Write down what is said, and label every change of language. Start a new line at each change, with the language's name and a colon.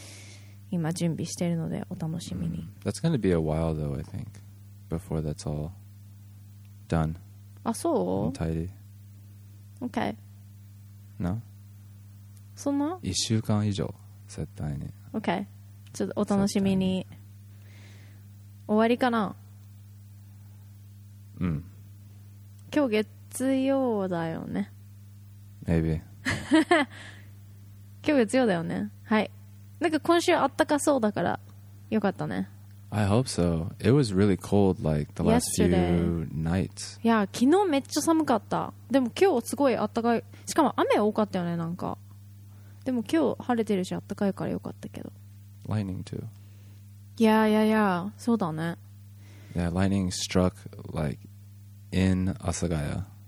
Japanese: あの、東大に遠足に行った時の、あの、マミとマイケルがちょっとした、すごい短いんだけど、ビデオ撮ったのをみんなに見せようかなと思って、今準備してるので、お楽しみに。
English: That's gonna be a while though, I think, before that's all. Done. Ah, so? Tidy. Okay. No? So, no?
Japanese: 1週間以上、絶対に。 Okay. ちょっとお楽しみに。終わりかな? うん。今日月曜だよね。
English: Maybe.
Japanese: 今日月曜だよね。はい。なんか今週暖かそうだから、よかったね。
English: I hope so. It was really cold like the last few nights.
Japanese: Yeah, 昨日めっちゃ寒かった。でも今日すごい暖かい。しかも雨多かったよねなんか。でも今日晴れてるし暖かいから良かったけど。
English: Lightning too.
Japanese: Yeah, yeah, yeah. そうだね。
English: Yeah, lightning struck like in Asagaya.